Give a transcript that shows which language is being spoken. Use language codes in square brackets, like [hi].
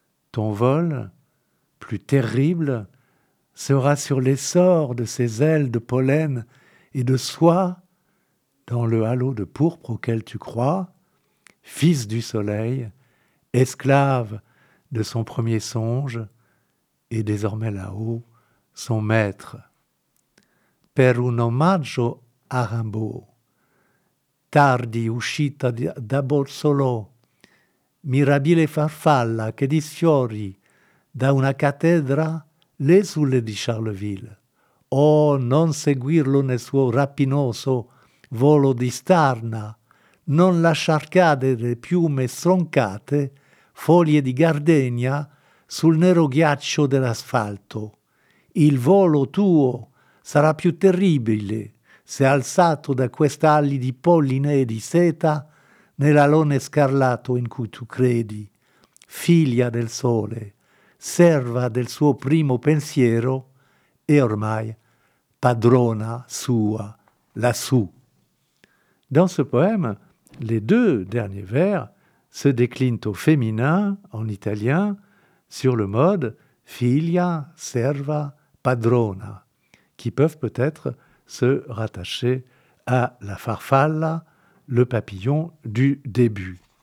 [fr] Ton vol, plus terrible, sera sur l'essor de ses ailes de pollen et de soie, dans le halo de pourpre auquel tu crois, fils du soleil, esclave de son premier songe, et désormais là-haut, son maître. [it] Per un omaggio a Rimbaud, tardi uscita da Bozzolo, mirabile farfalla che disfiori da una cattedra l'esule di Charleville. Oh, non seguirlo nel suo rapinoso volo di starna, non lasciar cadere piume stroncate, foglie di gardenia sul nero ghiaccio dell'asfalto. Il volo tuo sarà più terribile se alzato da quest'ali di polline e di seta nell'alone scarlato in cui tu credi, figlia del sole, serva del suo primo pensiero e ormai padrona sua lassù. [fr] Dans ce poème, les deux derniers vers se déclinent au féminin en italien sur le mode [it] figlia, serva, padrona, [fr] qui peuvent peut-être se rattacher à la farfalla, le papillon du début.